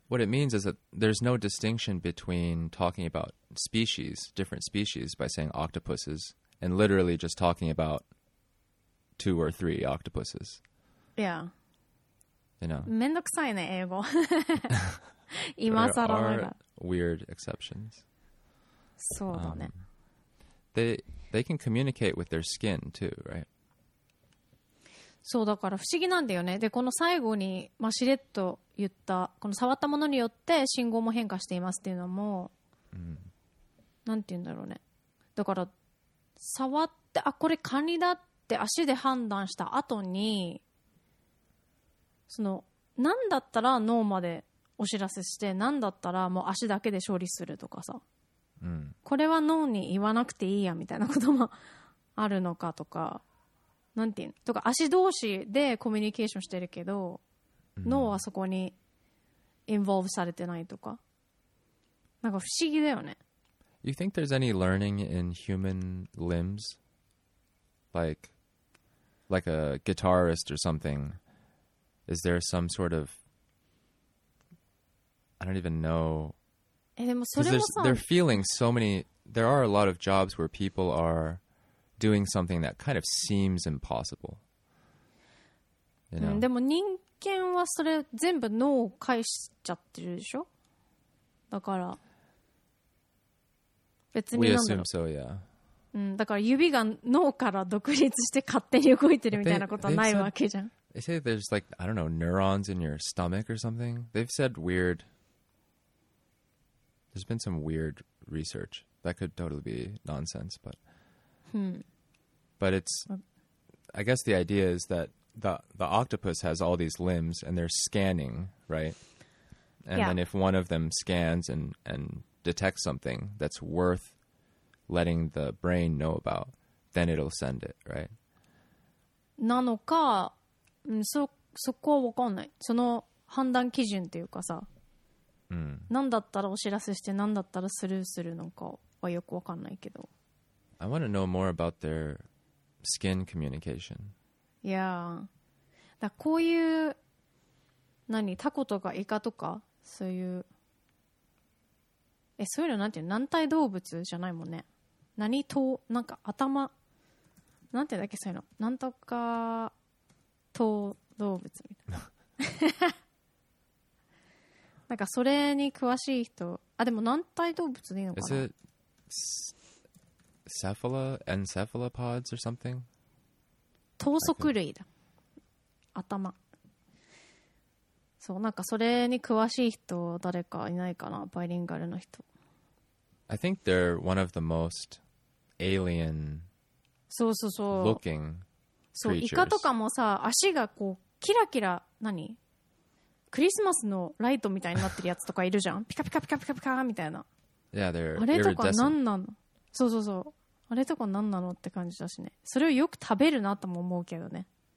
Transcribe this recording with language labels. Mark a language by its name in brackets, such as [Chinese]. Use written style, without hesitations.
[English] What it means is that there's no distinction between talking about species, different species, by saying octopuses, and literally just talking about two or three octopuses. Yeah. You know. [Japanese] めんどくさいね、英語。今更ながら。 [English] There are weird exceptions. [Japanese] そうだね。 [English] They can communicate with their skin too, right? [Japanese] そうだから不思議なんだよね。で、この最後にマシレット言った、この触ったものによって信号も変化していますっていうのも、なんて言うんだろうね。だから、触って、あ、これカニだって足で判断した後に、その、何だったら脳までお知らせして、何だったらもう足だけで処理するとかさ、これは脳に言わなくていいやみたいなこともあるのかとか、なんていうのとか足同士でコミュニケーションしてるけど、脳はそこにインボルブされてないとか、なんか不思議だよね。 [English] You think there's any learning in human limbs? Like a guitarist or something. Is there some sort of... I don't even know. Because they're feeling so many... There are a lot of jobs where people are doing something that kind of seems impossible. You know? [Japanese] でも人間はそれ全部脳を介しちゃってるでしょ? だから別に何だろう? [English] We assume so, yeah. [Japanese] だから指が脳から独立して勝手に動いてるみたいなことはないわけじゃん。 [English] They say there's like, I don't know, neurons in your stomach or something. They've said weird. There's been some weird research. That could totally be nonsense, but... But it's... I guess the idea is that the octopus has all these limbs and they're scanning, right? And then if one of them scans and detects something that's worth letting the brain know about, then it'll send it, right? [Japanese] なのか、そこは分かんない。その判断基準というかさ、何だったらお知らせして何だったらスルーするのかはよく分かんないけど。 [English] I want to know more about their skin communication. Yeah. [Japanese] だこういう何タコとかイカとかそういうそういうのなんていう軟体動物じゃないもんね。何頭なんか頭なんていうんだっけそういうのなんとか頭動物みたいな。なんかそれに詳しい人あでも軟体動物でいいのかな。 [English] Cephala, encephalopods or something? [Japanese] 頭足類だ。頭。そう、なんかそれに詳しい人誰かいないかな、バイリンガルの人。 [English] I think they're one of the most alien looking creatures. [Japanese] そうそうそう。そう、イカとかもさ、足がこう、キラキラ、何? クリスマスのライトみたいになってるやつとかいるじゃん?ピカピカピカピカピカみたいな。 [English] Yeah, they're [Japanese] あれとか何なの?そうそうそう。あれとか何なのって感じだしね。それをよく食べるなとも思うけどね。